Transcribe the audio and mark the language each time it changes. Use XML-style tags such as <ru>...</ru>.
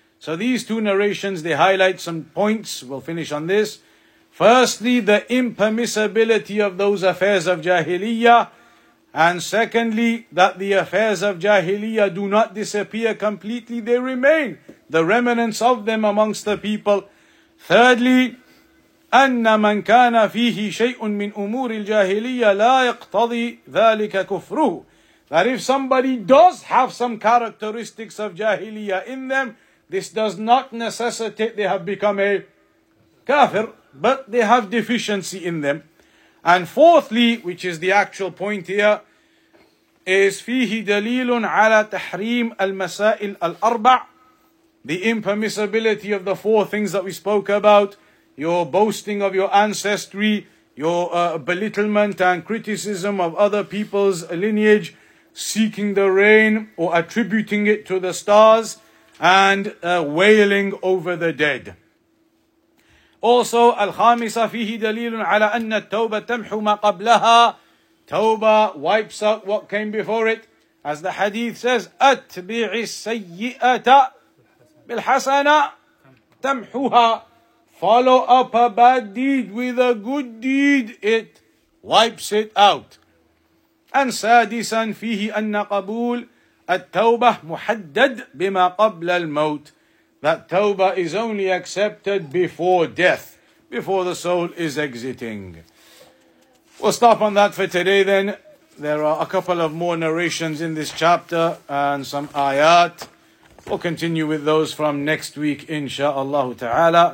<en>So these two narrations, they highlight some points. We'll finish on this. Firstly, the impermissibility of those affairs of Jahiliyyah. And secondly, that the affairs of Jahiliyyah do not disappear completely. They remain, the remnants of them amongst the people. Thirdly,</en> <ar>أن من كان فيه شيء من أمور الجاهلية لا يقتضي ذلك كفره.</ar> <en>That if somebody does have some characteristics of jahiliya in them, this does not necessitate they have become a kafir, but they have deficiency in them. And fourthly, which is the actual point here, is</en> <ar>فيه دليل على تحريم المسائل الأربع,</ar> <en>the impermissibility of the four things that we spoke about, your boasting of your ancestry, your belittlement and criticism of other people's lineage, seeking the rain or attributing it to the stars, and wailing over the dead. Also,</en> <ar>الخامسة فيه دليل على أن التوبة تمحو ما قبلها.</ar> <en>Tawbah wipes out what came before it. As the hadith says,</en> <ar>أتبعي السيئة بالحسنة تمحوها.</ar> <en>Follow up a bad deed with a good deed, it wipes it out.</en> <ar>أن سادسا فيه أن قبول التوبة محدد بما قبل الموت.</ar> <en>That tawbah is only accepted before death, before the soul is exiting. We'll stop on that for today then. There are a couple of more narrations in this chapter and some ayat. We'll continue with those from next week, insha'Allah ta'ala.</en>